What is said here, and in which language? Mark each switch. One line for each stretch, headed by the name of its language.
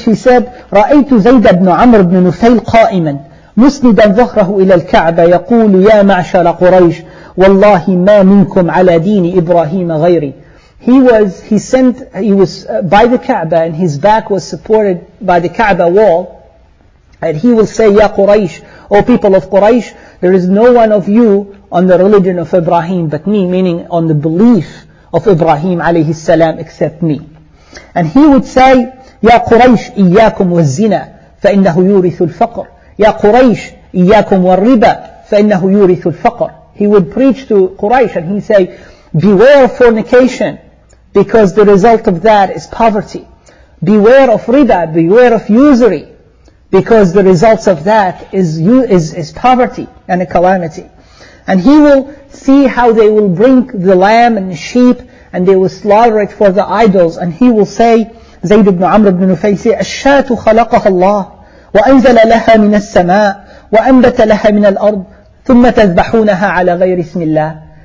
English: She said,
Arabic: رأيت زيد بن عمرو بن نفيل قائما مسندا ظهره إلى الكعبة يقول يا معشر قريش والله ما منكم على دين إبراهيم غيري.
English: He was by the Kaaba and his back was supported by the Kaaba wall, and he will say,
Arabic: Ya Quraysh,
English: O people of Quraysh, there is no one of you on the religion of Ibrahim but me, meaning on the belief of Ibrahim alayhi salam, except me. And he would say,
Arabic: يا قريش إياكم والزنا فإنه يورث الفقر. يا قريش إياكم والربا فإنه يورث الفقر.
English: He would preach to Quraysh and he'd say, beware of fornication because the result of that is poverty. Beware of riba, beware of usury because the results of that is poverty and a calamity. And he will see how they will bring the lamb and the sheep and they will slaughter it for the idols, and he will say,
Arabic: زيد بن عمرو بن نفيل الشاة خلقها الله وأنزل لها من السماء وأنبت لها من الأرض ثم تذبحونها على غير اسم الله.